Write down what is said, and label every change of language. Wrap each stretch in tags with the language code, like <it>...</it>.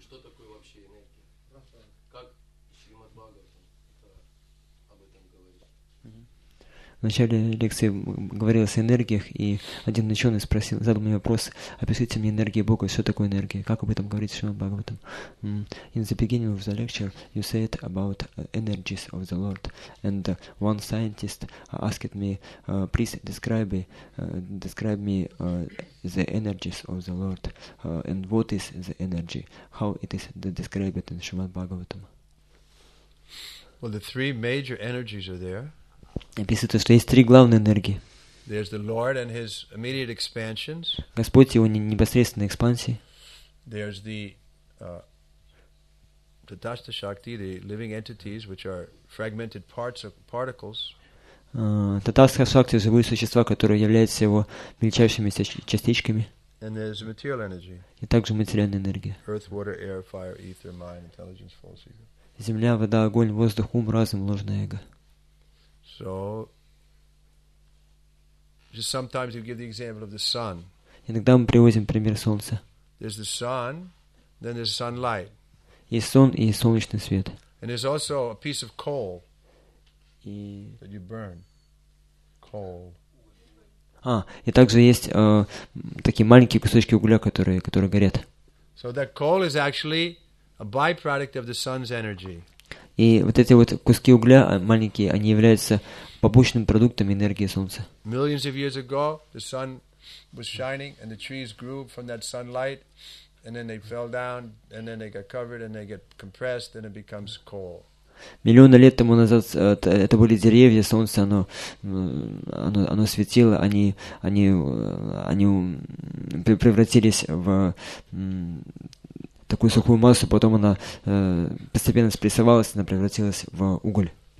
<ru>Что такое вообще энергия? Как Шримад Бхагаватам об этом говорит? В начале лекции говорилось о энергиях, и один ученый спросил, задал мне вопрос, опишите мне энергию Бога, что такое энергия, как об этом говорить, Шримад Бхагаватам.</ru> <en>In the beginning of the lecture, you said about energies of the Lord, and one scientist asked me, please describe me the energies of the Lord, and what is the energy, how it is described in Шримад Бхагаватам. Well, the three major energies are there.</en> <ru>Написано, что есть три главные энергии.</ru> <en>There's the Lord and his immediate expansions.</en> <ru>Господь и его непосредственные экспансии.</ru> <en>There's the Tatva Shakti, the living entities, which are fragmented parts of particles.</en> <ru>Tatva Shakti — живые существа, которые являются его мельчайшими частичками.</ru> <en>And there's the material energy.</en> <ru>И также материальная энергия.</ru> <en>Earth, water, air, fire, ether, mind, intelligence, false ego.</en> <ru>Земля, вода, огонь, воздух, ум, разум, ложное эго.</ru> <en>So, just sometimes you give the example of the sun.</en> <ru>Иногда мы приводим пример солнца.</ru> <en>There's the sun, then there's sunlight.</en> <ru>Есть сон и есть солнечный свет.</ru> <en>And there's also a piece of coal that you burn. Coal.</en> <ru>А, и также есть такие маленькие кусочки угля, которые горят.</ru> <en>So that coal is actually a byproduct of the sun's energy.</en> <ru>И вот эти вот куски угля маленькие, они являются побочным продуктом энергии солнца.</ru> <en>Millions of years ago, the sun was shining, and the trees grew from that sunlight, and then they fell down, and then they got covered, and they get compressed, and it becomes coal.</en> <ru>Миллионы лет тому назад это были деревья, солнце, оно светило, они превратились в такую сухую массу, потом она постепенно спрессовалась, она превратилась в уголь.</ru>